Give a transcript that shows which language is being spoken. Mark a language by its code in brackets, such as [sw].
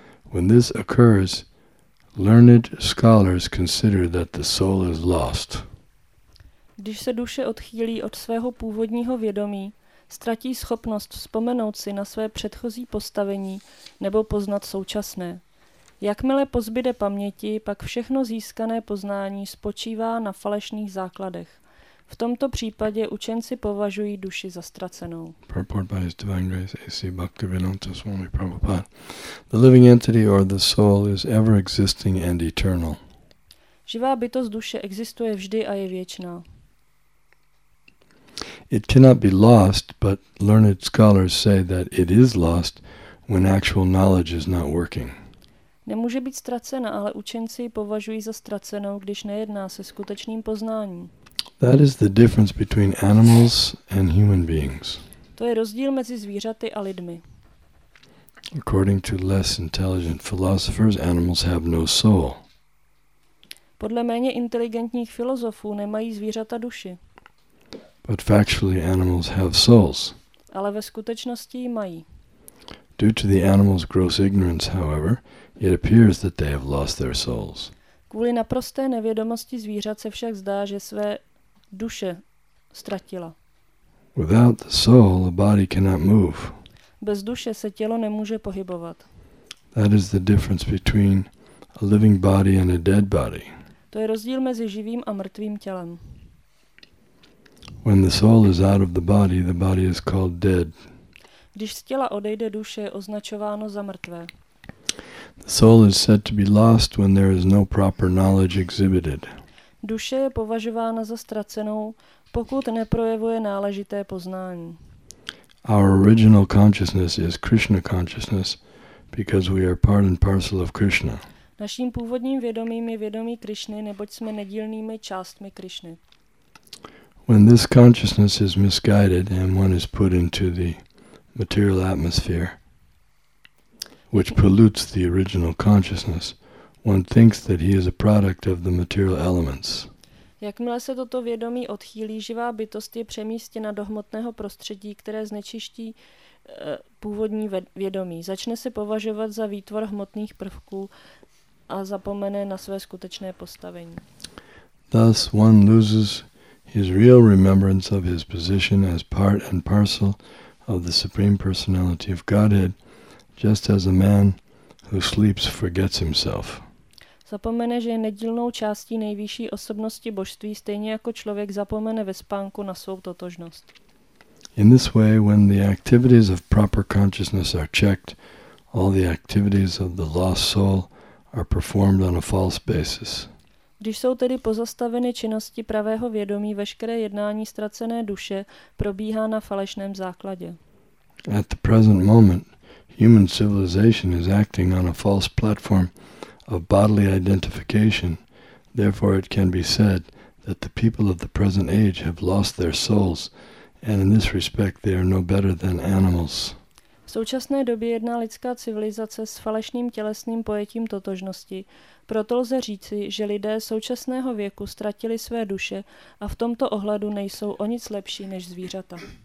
[en] When this occurs, learned scholars consider that the soul is lost. [cs] Když se duše odchýlí od svého původního vědomí, ztratí schopnost vzpomenout si na své předchozí postavení nebo poznat současné. Jakmile pozbyde paměti, pak všechno získané poznání spočívá na falešných základech. V tomto případě učenci považují duši za ztracenou. [en] Purport by His Divine Grace A.C. Bhaktivedanta Swami Prabhupada. The living entity or the soul is ever existing and eternal. [cs] Živá bytost duše existuje vždy a je věčná. [en] It cannot be lost, but learned scholars say that it is lost when actual knowledge is not working. [cs] Nemůže být ztracena, ale učenci ji považují za ztracenou, když nejedná se skutečným poznáním. [en] That is the difference between animals and human beings. [cs] To je rozdíl mezi zvířaty a lidmi. [en] According to less intelligent philosophers, animals have no soul. [cs] Podle méně inteligentních filozofů nemají zvířata duši. [en] But factually, animals have souls. [cs] Ale ve skutečnosti mají. [en] Due to the animals' gross ignorance, however, it appears that they have lost their souls. [cs] Kvůli naprosté nevědomosti zvířat se však zdá, že své duše ztratila. [en] Without the soul, a body cannot move. [cs] Bez duše se tělo nemůže pohybovat. [en] That is the difference between a living body and a dead body. [cs] To je rozdíl mezi živým a mrtvým tělem. [en] When the soul is out of the body is called dead. [cs] Když z těla odejde, duše je označováno za mrtvé. [en] The soul is said to be lost when there is no proper knowledge exhibited. [cs] Duše je považována za ztracenou, pokud neprojevuje náležité poznání. [en] Our original consciousness is Krishna consciousness because we are part and parcel of Krishna. [cs] Naším původním vědomím je vědomí Krišny, neboť jsme nedílnými částmi Krišny. [en] When this consciousness is misguided and one is put into the material atmosphere, which pollutes the original consciousness, one thinks that he is a product of the material elements. [cs] Jakmile se toto vědomí odchýlí, živá bytost je přemístěna do hmotného prostředí, které znečiští původní vědomí. Začne se považovat za výtvor hmotných prvků a zapomene na své skutečné postavení. [en] Thus one loses his real remembrance of his position as part and parcel of the Supreme Personality of Godhead, just as a man who sleeps forgets himself. [cs] Zapomene, že je nedílnou částí nejvyšší osobnosti božství, stejně jako člověk zapomene ve spánku na svou totožnost. [en] In this way, when the activities of proper consciousness are checked, all the activities of the lost soul are performed on a false basis. [cs] Když jsou tedy pozastaveny činnosti pravého vědomí, veškeré jednání ztracené duše probíhá na falešném základě. [en] At the present moment, human civilization is acting on a false platform of bodily identification. Therefore, it can be said that the people of the present age have lost their souls, and in this respect, they are no better than animals. [cs] V současné době jedná lidská civilizace s falešným tělesným pojetím totožnosti. Proto lze říci, že lidé současného věku ztratili své duše a v tomto ohledu nejsou o nic lepší než zvířata.